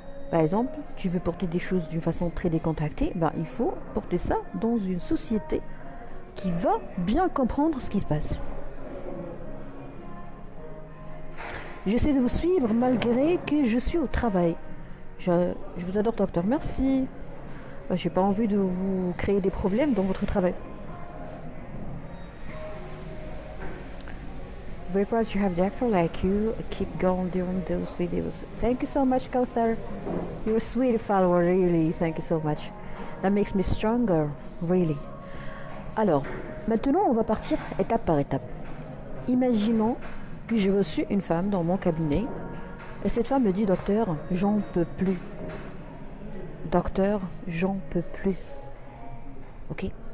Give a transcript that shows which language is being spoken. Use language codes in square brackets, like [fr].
[fr] Par exemple, tu veux porter des choses d'une façon très décontractée, ben, il faut porter ça dans une société qui va bien comprendre ce qui se passe. J'essaie de vous suivre malgré que je suis au travail. Je vous adore, docteur. Merci. Ben, j'ai pas envie de vous créer des problèmes dans votre travail. [en] We're proud to have doctor like you. Keep going doing those videos. Thank you so much, Kausar. You're a sweet follower, really. Thank you so much. That makes me stronger, really. [fr] Alors, maintenant, on va partir étape par étape. Imaginons que j'ai reçu une femme dans mon cabinet et cette femme me dit, docteur, j'en peux plus. Docteur, j'en peux plus. Ok?